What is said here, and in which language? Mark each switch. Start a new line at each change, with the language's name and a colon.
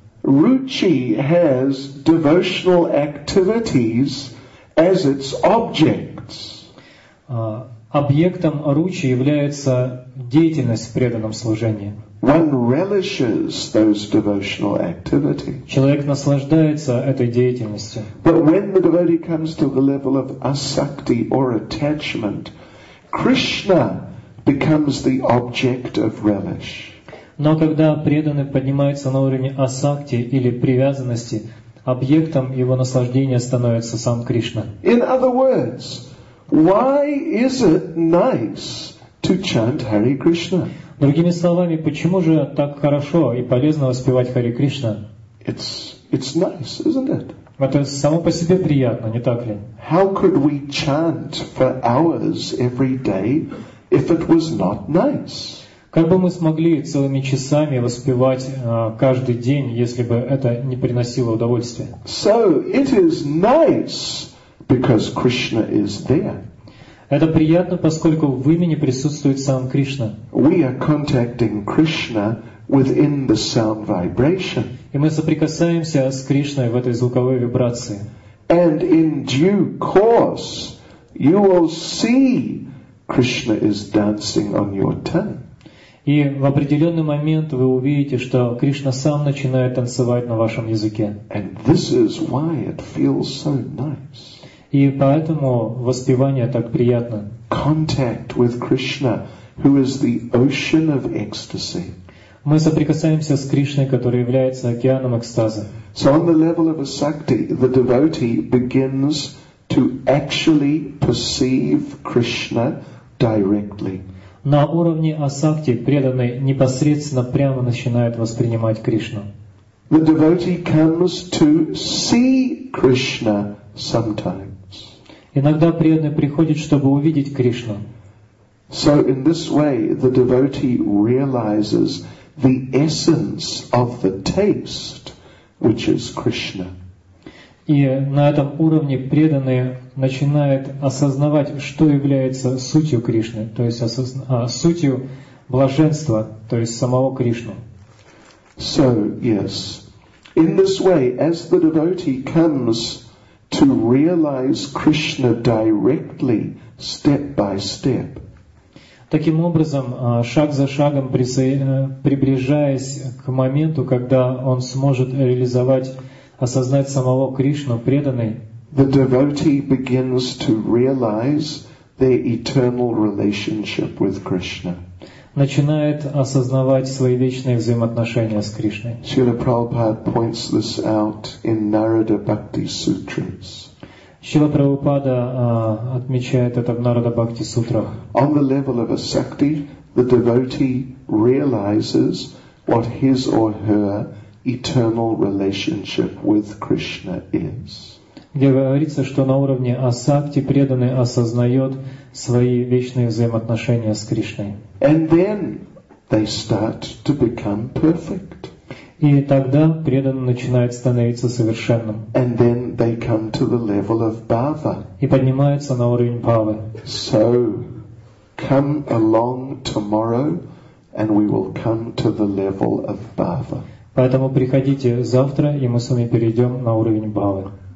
English: Ruchi has devotional activities as its objects.
Russian: Объектом Ruchi является деятельность в преданном служении.
English: One relishes those devotional activities.
Russian: Человек наслаждается этой деятельностью.
English: But when the devotee comes to the level of asakti or attachment, Krishna becomes the object of relish.
Russian: Но когда преданный поднимается на уровень асакти или привязанности, объектом его наслаждения становится сам Кришна.
English: In other words, why is it nice to chant Hare Krishna?
Russian: Другими словами, почему же так хорошо и полезно воспевать Хари Кришна?
English: It's nice, isn't it?
Russian: Это само по себе приятно, не так ли?
English: How could we chant for hours every day if it was not nice?
Russian: Как бы мы смогли целыми часами воспевать каждый день, если бы это не приносило удовольствия?
English: So it is nice because Krishna is there.
Russian: Это приятно, поскольку в имени присутствует сам Кришна.
English: We are contacting Krishna within the sound vibration.
Russian: И мы соприкасаемся с Кришной в этой звуковой вибрации.
English: And in due course, you will see Krishna is dancing on your tongue.
Russian: И в определенный момент вы увидите, что Кришна сам начинает танцевать на вашем языке.
English: And this is why it feels so nice.
Russian: И поэтому воспевание так приятно.
English: Contact with Krishna, who is the ocean of ecstasy.
Russian: Мы соприкасаемся с Кришной, который является океаном экстаза.
English: So on the level of asakti, the devotee begins to actually perceive Krishna directly.
Russian: На уровне асакти преданный непосредственно прямо начинает воспринимать Кришну.
English: The devotee comes to see Krishna sometimes.
Russian: Иногда преданный приходит, чтобы увидеть Кришну.
English: So in this way, the devotee realizes the essence of the taste, which is Krishna.
Russian: И на этом уровне преданный начинает осознавать, что является сутью Кришны, то есть сутью блаженства, то есть самого Кришну.
English: So yes, in this way, as the devotee comes to realize Krishna directly, step by step.
Russian: Таким образом, шаг за шагом, приближаясь к моменту, когда он сможет реализовать, осознать самого Кришну, преданный,
English: the devotee begins to realize their eternal relationship with Krishna.
Russian: Начинает осознавать свои вечные взаимоотношения с Кришной.
English: Śrīla Prabhupāda points this out in Narada Bhakti Sutras.
Russian: Śrīla Prabhupāda отмечает это в Narada Bhakti Sutras.
English: On the level of asakti, the devotee realizes what his or her eternal relationship with Krishna is.
Russian: Где говорится, что на уровне асакти преданный осознает свои вечные взаимоотношения с Кришной.
English: And then they start to become perfect.
Russian: И тогда преданный начинает становиться совершенным.
English: And then they come to the level of bhava.
Russian: И поднимаются на уровень бхавы.
English: So, come along tomorrow, and we will come to the level of bhava.
Russian: Поэтому приходите завтра, и мы с вами перейдем на уровень бхавы.